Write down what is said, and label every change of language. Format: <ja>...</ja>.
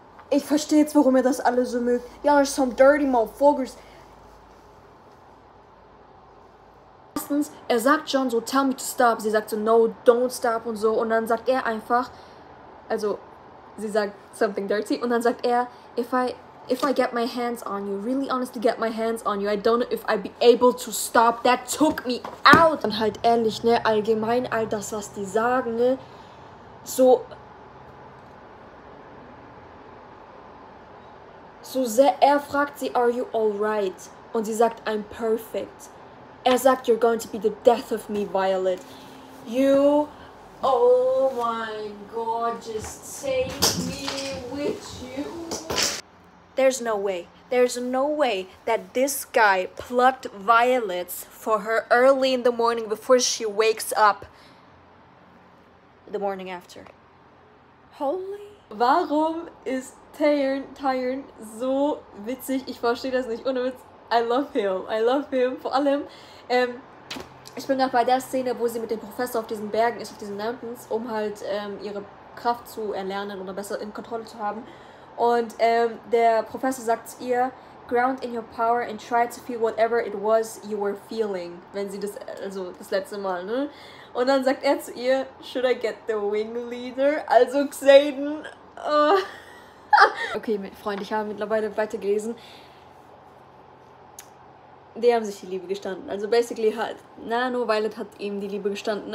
<de>Ich verstehe jetzt, warum ihr das alle so mögt.</de> <en>Y'all are some dirty motherfuckers.</en> <de>Erstens, er sagt John so,</de> <en>tell me to stop.</en> <de>Sie sagt so,</de> <en>no, don't stop</en> <de>und so. Und dann sagt er einfach, also, sie sagt</de> <en>something dirty.</en> <de>Und dann sagt er,</de> <en>if I get my hands on you, really honestly get my hands on you, I don't know if I'd be able to stop. That took me out.</en> <de>Und halt ehrlich, ne, allgemein all das, was die sagen, ne, so sehr, er fragt sie,</de> <en>are you alright?</en> <de>Und sie sagt,</de> <en>I'm perfect.</en> <de>Er sagt,</de> <en>you're going to be the death of me, Violet. You Oh my God, just take me with you. There's no way. There's no way that this guy plucked violets for her early in the morning before she wakes up the morning after.</en> <de>Holy. Warum ist Tyrion so witzig? Ich verstehe das nicht. Ohne Witz.</de> <en>I love him. I love him.</en> <de>Vor allem, ich bin gerade bei der Szene, wo sie mit dem Professor auf diesen Bergen ist, auf diesen Mountains, um halt ihre Kraft zu erlernen oder besser in Kontrolle zu haben. Und der Professor sagt zu ihr,</de> <en>ground in your power and try to feel whatever it was you were feeling.</en> <de>Wenn sie das, also das letzte Mal, ne? Und dann sagt er zu ihr,</de> <en>should I get the wing leader?</en> <de>Also Xayden. Okay, Freunde, ich habe mittlerweile weitergelesen. Die haben sich die Liebe gestanden. Also basically halt, Nano Violet hat ihm die Liebe gestanden.</de>